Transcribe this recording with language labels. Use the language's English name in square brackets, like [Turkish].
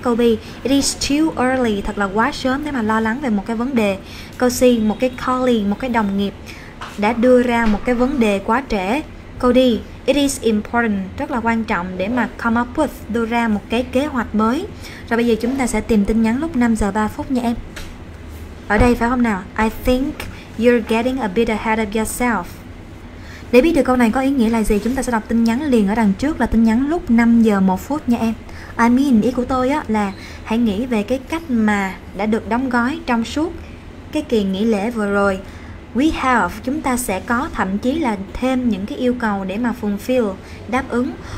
[Vietnamese] Câu B, [English] it is too early, [Vietnamese] thật là quá sớm để mà lo lắng về một cái vấn đề. Câu C, một cái colleague, một cái đồng nghiệp đã đưa ra một cái vấn đề quá trễ. Câu D, [English] it is important, [Vietnamese] rất là quan trọng để mà [English] come up with, [Vietnamese] đưa ra một cái kế hoạch mới. Rồi bây giờ chúng ta sẽ tìm tin nhắn lúc 5:03 nha em. Ở đây phải không nào? [English] I think you're getting a bit ahead of yourself. [Vietnamese] Để biết được câu này có ý nghĩa là gì, chúng ta sẽ đọc tin nhắn liền ở đằng trước là tin nhắn lúc 5:01 nha em. [English] I mean, [Vietnamese] ý của tôi là hãy nghĩ về cái cách mà đã được đóng gói trong suốt cái kỳ nghỉ lễ vừa rồi. [English] We have, [Vietnamese] chúng ta sẽ có, thậm chí là thêm những cái yêu cầu để mà fulfill, đáp ứng.